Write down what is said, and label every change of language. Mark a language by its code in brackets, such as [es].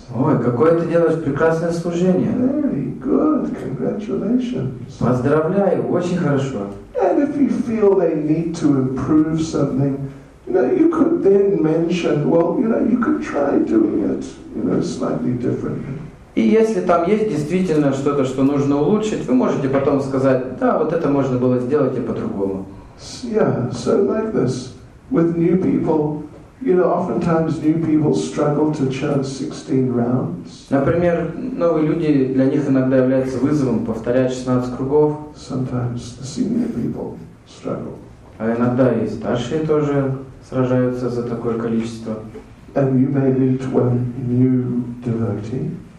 [ru] Ой, какое ты делаешь прекрасное служение. [en] Very good, congratulations. [ru] Поздравляю, очень хорошо. [en] And if you feel they need to improve something, you know, you could then mention, well, you know, you could try doing it, you know, slightly differently. [ru] И если там есть действительно что-то, что нужно улучшить, вы можете потом сказать, да, вот это можно было сделать и по-другому. [en] Yeah, so like this, with new people, you know, oftentimes new people struggle to chant 16 rounds. [ru] Например, новые люди, для них иногда является вызовом повторять 16 кругов. [en] Sometimes the senior people struggle. [ru] А иногда и старшие тоже сражаются за такое количество. [en] And you may meet one new devotee.